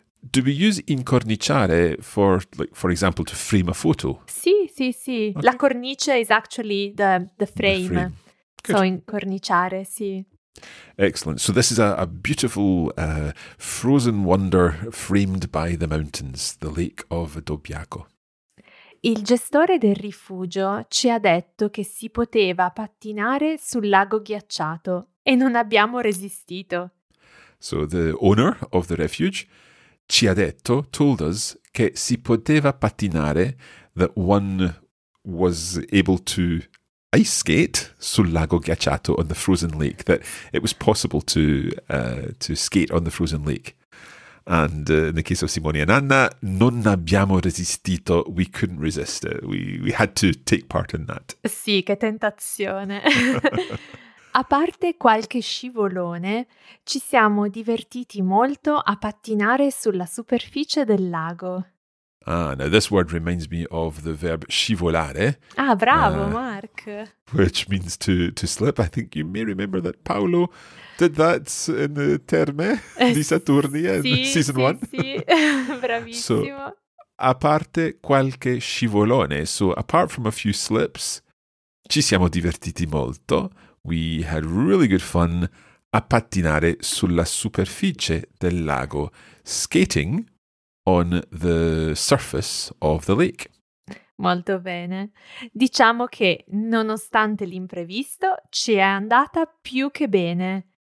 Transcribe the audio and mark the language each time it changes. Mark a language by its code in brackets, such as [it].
[en] Do we use incorniciare for, like, for example, to frame a photo? [it] Sì, sì, sì. [en] Okay. La cornice is actually the frame. The frame. So incorniciare, [it] sì. [en] Excellent. So this is a beautiful frozen wonder framed by the mountains, the lake of Dobbiaco. [it] Il gestore del rifugio ci ha detto che si poteva pattinare sul lago ghiacciato e non abbiamo resistito. [en] So the owner of the refuge [it] ci ha detto, [en] told us, [it] che si poteva pattinare, [en] that one was able to ice skate [it] sul lago ghiacciato, [en] on the frozen lake, that it was possible to skate on the frozen lake. And in the case of Simone and Anna, [it] non abbiamo resistito, [en] we couldn't resist it. We had to take part in that. [it] Sì, che tentazione. A parte qualche scivolone, ci siamo divertiti molto a pattinare sulla superficie del lago. [en] Ah, now this word reminds me of the verb scivolare. [it] Ah, bravo, Mark. [en] Which means to slip. I think you may remember that Paolo did that in the Terme di Saturnia in season 1. [it] Sì, bravissimo. So, a parte qualche scivolone, [en] so apart from a few slips, [it] ci siamo divertiti molto. [en] We had really good fun [it] a pattinare sulla superficie del lago, [en] skating on the surface of the lake. [it] Molto bene. Diciamo che, nonostante l'imprevisto, ci è andata più che bene.